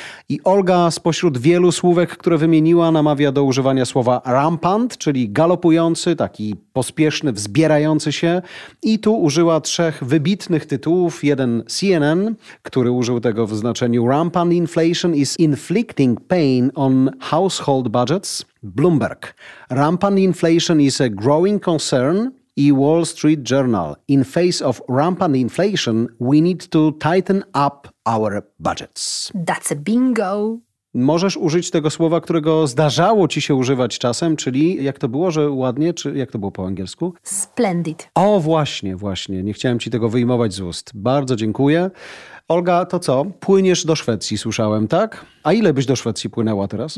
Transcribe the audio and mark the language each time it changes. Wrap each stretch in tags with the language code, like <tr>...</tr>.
<pl>I Olga spośród wielu słówek, które wymieniła, namawia do używania słowa rampant, czyli galopujący, taki pospieszny, wzbierający się. I tu użyła trzech wybitnych tytułów. Jeden CNN, który użył tego w znaczeniu</pl> <en>rampant inflation is inflicting pain on household budgets.</en> <pl>Bloomberg.</pl> <en>Rampant inflation is a growing concern. I Wall Street Journal. In face of rampant inflation, we need to tighten up our budgets. That's a bingo.</en> <pl>Możesz użyć tego słowa, którego zdarzało ci się używać czasem, czyli jak to było, że ładnie, czy jak to było po angielsku?</pl> <en>Splendid.</en> <pl>O, właśnie, właśnie. Nie chciałem ci tego wyjmować z ust. Bardzo dziękuję. Olga, to co? Płyniesz do Szwecji, słyszałem, tak? A ile byś do Szwecji płynęła teraz?</pl>